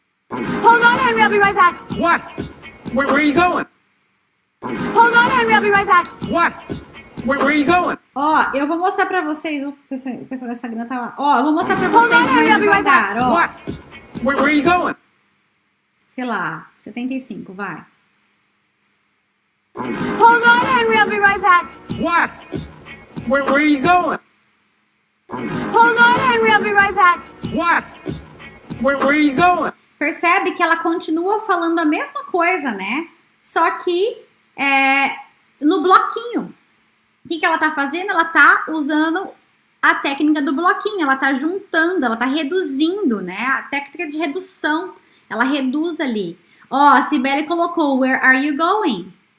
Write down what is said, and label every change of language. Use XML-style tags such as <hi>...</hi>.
<en>Hold on, Henry, I'll be right back. What? Where are you going? Hold on, Henry, I'll be right back. What? Where are you going?</en> <pt>Ó, eu vou mostrar pra vocês. O pessoal da Instagram tá lá. Ó, eu vou mostrar pra vocês.</pt> <en>Hold on, Henry, I'll be right back.</en> <pt>Ó.</pt> <en>What? Where are you going?</en> <pt>Sei lá, 75, vai.</pt> <en>Hold on, Henry, I'll be right back. What? Where are you going? Hold on, Henry, I'll be right back. What? Where are you going?</en> <pt>Percebe que ela continua falando a mesma coisa, né? Só que é, no bloquinho. O que, que ela tá fazendo? Ela tá usando a técnica do bloquinho. Ela tá juntando, ela tá reduzindo, né? A técnica de redução. Ela reduz ali. Ó, a Cibele colocou,</pt> <en>where are you going?</en>